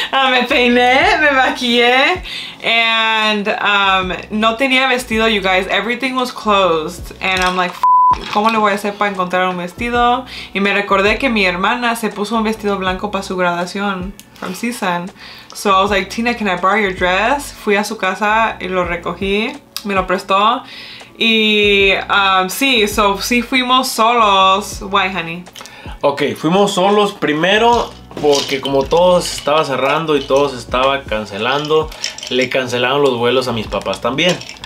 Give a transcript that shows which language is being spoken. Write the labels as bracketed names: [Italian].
[Spanish] Me peiné, me maquillé, and no tenía vestido, [English] you guys. Everything was closed, and I'm like, [Spanish] ¿cómo le voy a hacer para encontrar un vestido? Y me recordé que mi hermana se puso un vestido blanco para su graduación [English] from CSUN. So I was like, Tina, can I borrow your dress? [Spanish] Fui a su casa y lo recogí, me lo prestó. Y sí, so sí fuimos solos. [English] Why, honey? [Spanish] Ok, fuimos solos primero porque como todo se estaba cerrando y todo se estaba cancelando, le cancelaron los vuelos a mis papás también.